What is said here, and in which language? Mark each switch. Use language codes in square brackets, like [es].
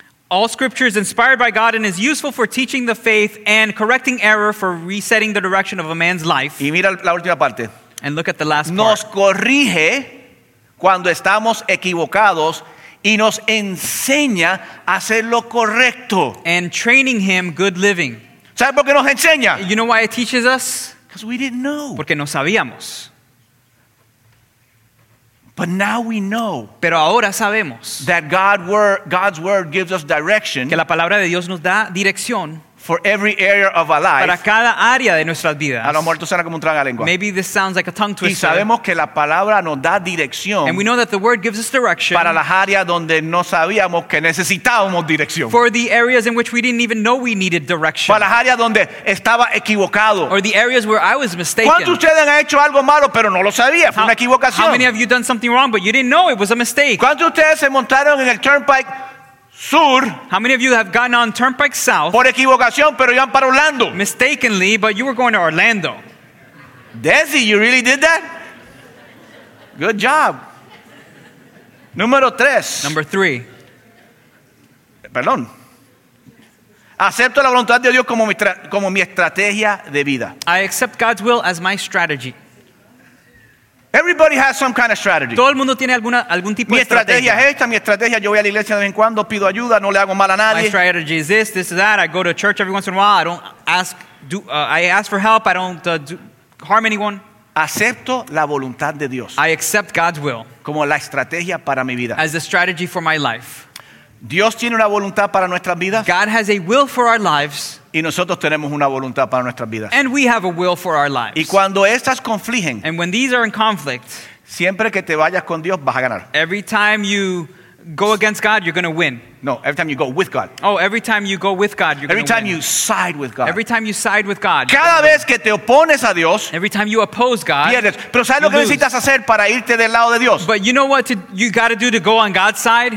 [en] All scripture is inspired by God and is useful for teaching the faith and correcting error, for resetting the direction of a man's life. [es] Y mira la última parte. [en] And look at the last [es] nos [en] part. [es] Nos corrige cuando estamos equivocados y nos enseña a hacer lo correcto. [en] And training him good living. [es] ¿Sabes por qué nos enseña? [en] You know why it teaches us? Because we didn't know. [es] Porque no sabíamos. [en] But now we know. [es] Pero ahora sabemos. [en] That God's word gives us direction. [es] Que la palabra de Dios nos da dirección. [en] For every area of our life. [es] Para cada área de nuestras vidas. A lo mejor esto suena como un tragalenguas. [en] Maybe this sounds like a tongue twister. [es] Y sabemos que la palabra nos da dirección. [en] And we know that the word gives us direction. [es] Para las áreas donde no sabíamos que necesitábamos dirección. [en] For the areas in which we didn't even know we needed direction. [es] Para las áreas donde estaba equivocado. [en] Or the areas where I was mistaken. [es] ¿Cuántos ustedes han hecho algo malo pero no lo sabía? Fue una equivocación. [en] How many of you done something wrong but you didn't know it was a mistake? [es] ¿Cuántos ustedes se montaron en el turnpike sur? [en] How many of you have gone on Turnpike South? [es] Por equivocación, pero iban para Orlando. [en] Mistakenly, but you were going to Orlando. Desi, you really did that? Good job. [es] Número tres. [en] Number three. [es] Perdón. Acepto la voluntad de Dios como mi estrategia de vida. [en] I accept God's will as my strategy. Everybody has some kind of strategy. [es] Todo el mundo tiene algún tipo de estrategia. Mi estrategia es esta. Mi estrategia, yo voy a la iglesia de vez en cuando, pido ayuda, no le hago mal a nadie. [en] My strategy is this, this is that. I go to church every once in a while. I don't ask, I ask for help. I don't harm anyone. [es] Acepto la voluntad de Dios. [en] I accept God's will. [es] Como la estrategia para mi vida. [en] As the strategy for my life. [es] Dios tiene una voluntad para nuestras vidas. [en] God has a will for our lives. [es] Y nosotros tenemos una voluntad para nuestras vidas. [en] And we have a will for our lives. [es] Y cuando estas confligen, [en] and when these are in conflict, [es] siempre que te vayas con Dios vas a ganar. [en] Every time you go against God, you're going to win. No, every time you go with God. Oh, every time you go with God, you're going to win. Every time you side with God. Every time you side with God. [es] Cada vez que te opones a Dios, [en] every time you oppose God, [es] pierdes. Pero ¿sabes lo que necesitas hacer para irte del lado de Dios? [en] But you know what you got to do to go on God's side?